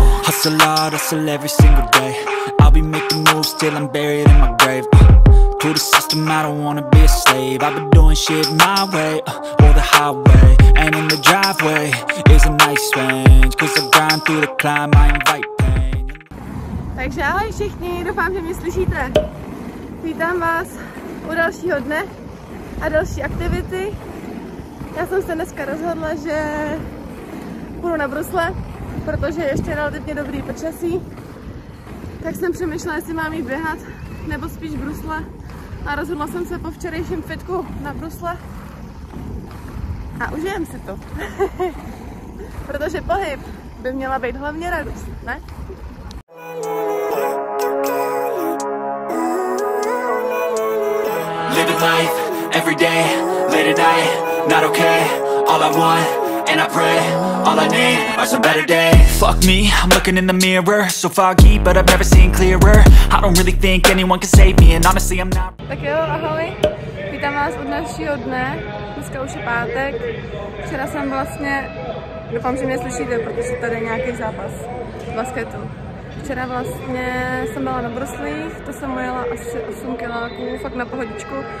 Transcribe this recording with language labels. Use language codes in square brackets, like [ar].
[en] Hustle hard, hustle every single day. I'll be making moves till I'm buried in my grave. To the system, I don't wanna be a slave. I've been doing shit my way, or the highway. And in the driveway is a nice range. Cause I grind through the climb, I invite pain. [cs] Takže ahoj všichni, doufám, že mě slyšíte. Vítám vás u dalšího dne a další aktivity. Já jsem se dneska rozhodla, že půjdu na brusle, protože ještě je relativně dobrý počasí. Tak jsem přemýšlela, jestli mám jít běhat, nebo spíš brusle. A rozhodla jsem se po včerejším fitku na brusle a užijem si to. Protože pohyb by měla být hlavně radost, ne? [en] living life every day, late at night, not okay. All I want, and I pray, all I need are some better days. Fuck me, I'm looking in the mirror. So foggy, but I've never seen clearer. I don't really think anyone can save me, and honestly, I'm not. [cs] Tak jo, ahoj. Vítám vás od dalšího dne. Dneska už je pátek. Včera jsem vlastně, doufám, že mě slyšíte, protože tady je nějaký zápas basketu. Včera vlastně jsem byla na bruslích, to jsem ujela asi 8 kiláků, fakt na pohodičku.